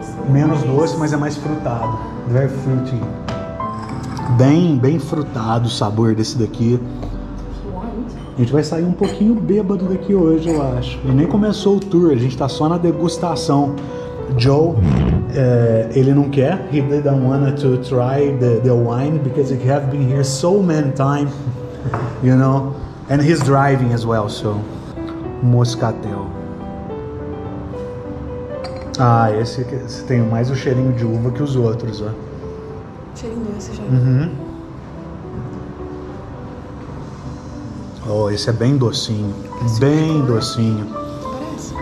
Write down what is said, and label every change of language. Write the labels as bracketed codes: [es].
[pt] Menos doce, mas é mais frutado. [en] Very fruity. [pt] Bem, bem frutado o sabor desse daqui. A gente vai sair um pouquinho bêbado daqui hoje, eu acho. E nem começou o tour, a gente tá só na degustação. Joe, ele não quer. [en] He didn't want to try the wine because he have been here so many times, you know. And he's driving as well, so. [pt] Moscatel. Ah, esse tem mais o cheirinho de uva que os outros, ó. Cheirinho esse já. Uhum. Oh, esse é bem docinho. Parece bem um docinho. Parece?